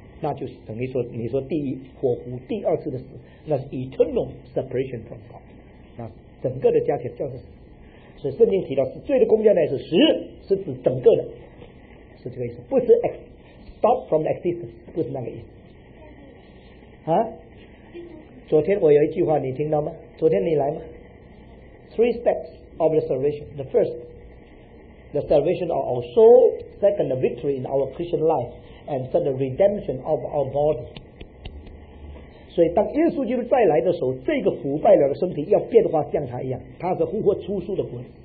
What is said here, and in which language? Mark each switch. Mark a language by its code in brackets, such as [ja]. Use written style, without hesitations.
[zh] 那就是等于说，你说第一火湖，第二次的死，那是 [en] eternal separation from God， [zh] 那整个的家庭叫做死。所以圣经提到是罪的工价乃是死，是指整个的，是这个意思，不是 [en] stop from the existence， [zh] 不是那个意思。昨天我有一句话你听到吗？昨天你来吗？ [en] Three steps of the salvation: the first, the salvation of our soul; second, the victory in our Christian life. And so the redemption of our body. [zh] 所以当耶稣基督再来的时候，这个腐败了的身体要变化像他一样，他是复活出书的活。